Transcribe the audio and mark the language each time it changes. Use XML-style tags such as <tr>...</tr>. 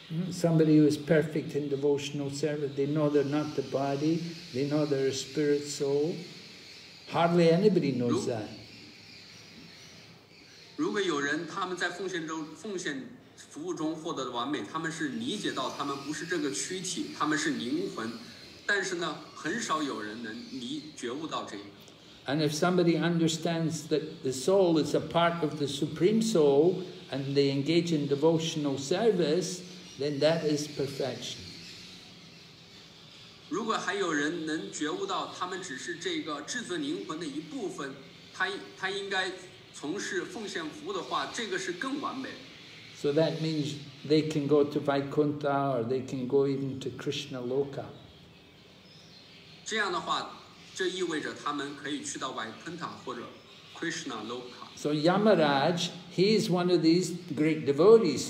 <en>Somebody who is perfect in devotional service, they know they're not the body, they know they're a spirit soul. Hardly anybody knows that.</en> <zh>如果有人他们在奉献服务中获得的完美，他们是理解到他们不是这个躯体，他们是灵魂，但是呢，很少有人能觉悟到这一点。</zh> <en>And if somebody understands that the soul is a part of the supreme soul, and they engage in devotional service, then that is perfection.</en> <zh>如果还有人能觉悟到他们只是这个至尊灵魂的一部分，他应该从事奉献服务的话，这个是更完美。</zh> <en>So that means they can go to Vaikuntha, or they can go even to Krishna Loka.</en> <zh>这样的话，这意味着他们可以去到 Vaikuntha 或者 Krishna Loka。</zh> <en>So Yamaraj, he is one of these great devotees.</en>